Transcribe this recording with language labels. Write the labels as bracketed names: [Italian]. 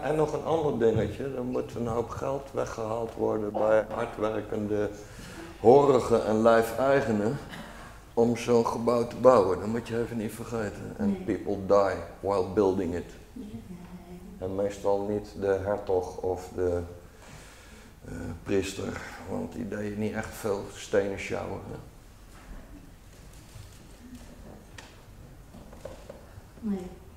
[Dutch] en nog een ander dingetje. Er moet een hoop geld weggehaald worden bij hardwerkende, horige en lijfeigenen. om zo'n gebouw te bouwen, dat moet je even niet vergeten. Nee. [English] And people die while building it. [Dutch] Nee. En meestal niet de hertog of de priester, want die deed niet echt veel stenen sjouwen. Nee.